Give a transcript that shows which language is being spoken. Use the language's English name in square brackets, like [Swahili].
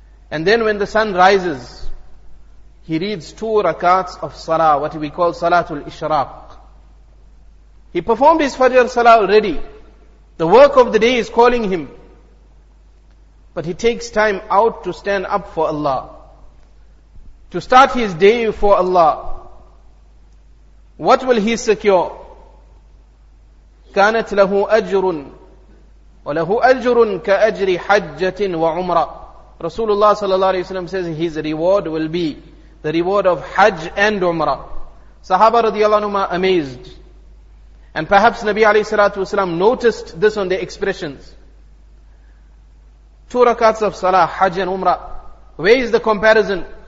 [English] And then when the sun rises, he reads 2 rakats of salah, what we call salatul ishraq. He performed his fajr salah already. The work of the day is calling him. But he takes time out to stand up for Allah. To start his day for Allah. What will he secure? [Arabic] كانت له أجر وله أجر كأجر حجة وعمرة. [English] Rasulullah sallallahu alayhi wa sallam says his reward will be the reward of Hajj and Umrah. Sahaba radiallahu anhu are amazed. And perhaps Nabi alayhi salatu wa sallam noticed this on their expressions. 2 rakats of salah, Hajj and Umrah. Where is the comparison?